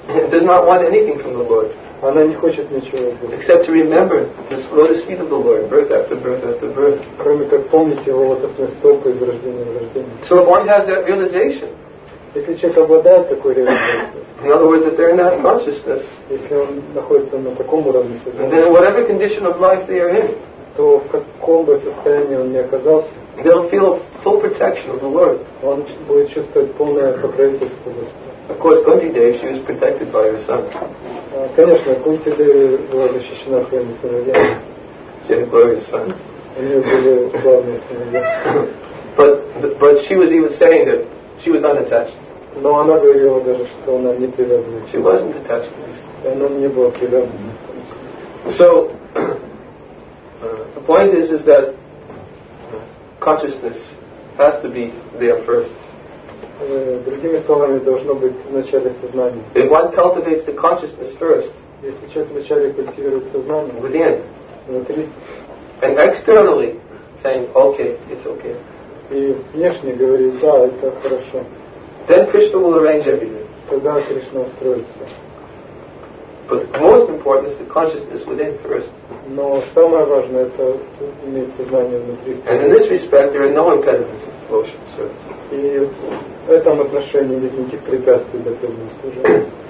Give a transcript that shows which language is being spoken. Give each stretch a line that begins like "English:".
English: Does not want anything from the Lord.
Russian: Она не хочет ничего.
English: Except to remember the lotus feet of the Lord, birth after birth after birth.
Russian: Кроме как помнить его лотосные стопы из рождения в рождение.
English: So if one has that realization.
Russian: Если человек обладает такой реализацией.
English: In other words, if they're in that consciousness.
Russian: Если он находится на таком уровне сознания.
English: Then in whatever condition of life they are in.
Russian: То в каком бы состоянии он ни оказался.
English: They'll feel full protection of the Lord.
Russian: Он будет чувствовать полное покровительство Господа.
English: Of course, Kunti Devi, she was protected by her son.
Russian: Конечно, Кунти Деви была защищена своими сыновьями.
English: She had glorious sons.
Russian: У нее были славные сыновья.
English: But she was even saying that she was unattached.
Russian: Но она говорила даже, что она не привязана.
English: She wasn't attached to this.
Russian: Она не была привязана.
English: So the point is that consciousness has to be there first.
Russian: Другими словами, должно быть вначале сознание.
English: If one cultivates the consciousness first,
Russian: если человек вначале культивирует сознание,
English: within,
Russian: внутри,
English: and externally saying, okay, it's okay,
Russian: и внешне говорит, да, это хорошо,
English: then Krishna will arrange everything.
Russian: Тогда Кришна устроится.
English: But most important is the consciousness within first.
Russian: Но самое важное — это иметь сознание внутри.
English: And in this respect, there are no impediments to devotion service.
Russian: И в этом отношении нет никаких препятствий для преданного служения.